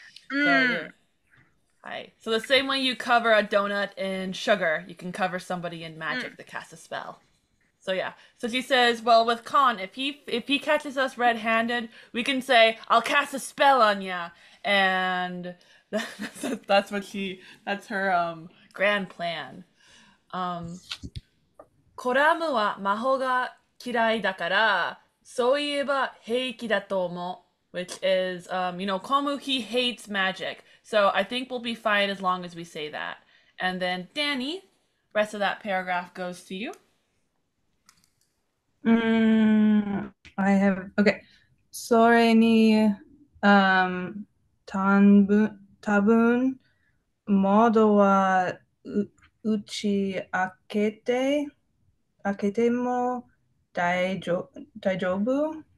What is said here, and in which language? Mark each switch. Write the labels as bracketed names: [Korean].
[English] So you're hi. So the same way you cover a donut in sugar, you can cover somebody in magic to cast a spell. So yeah. So she says, well, with Khan, if he catches us red-handed, we can say, I'll cast a spell on ya. And that's what she that's her grand plan. [Japanese] コラムは魔法が嫌いだから、そういえば平気だと思う。 [English] Which is, Komu, he hates magic. So I think we'll be fine as long as we say that. And then Danny, rest of that paragraph goes to you. I have okay. [Japanese] それに、多分、窓はうち開けても大丈夫。